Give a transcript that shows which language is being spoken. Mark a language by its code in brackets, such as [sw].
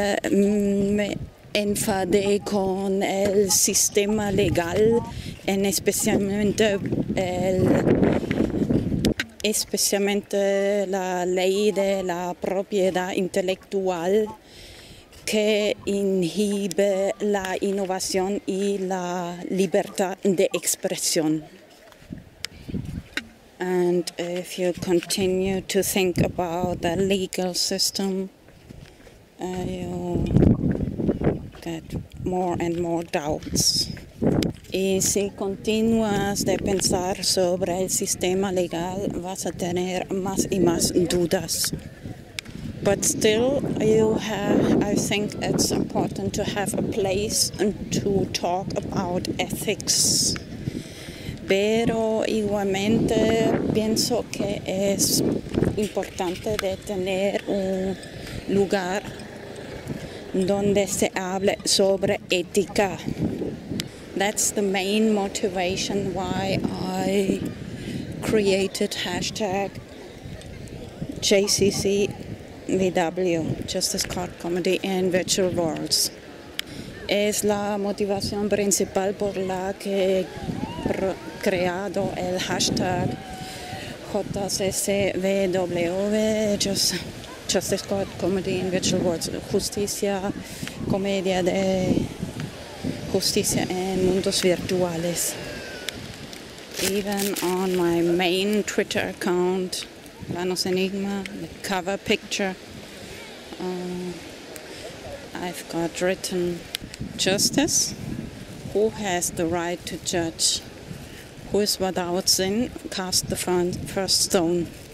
[es] Me enfadé con el sistema legal, en especialmente la ley de la propiedad intelectual, que inhibe la innovación y la libertad de expresión. [en] And if you continue to think about the legal system, you get more and more doubts. [es] Y si continúas de pensar sobre el sistema legal, vas a tener más y más dudas. [en] But still, I think it's important to have a place to talk about ethics. [es] Pero igualmente pienso que es importante de tener un lugar donde se hable sobre ética. [en] That's the main motivation why I created hashtag JCCVW, Justice Card Comedy in Virtual Worlds. [es] Es la motivación principal por la que creado el hashtag JCCVW, Justice Card Comedy in Virtual Worlds, Justicia Comedia de Justicia en Mundos Virtuales. [en] Even on my main Twitter account, Vanos Enigma, the cover picture, I've got written justice, who has the right to judge, who is without sin, cast the first stone.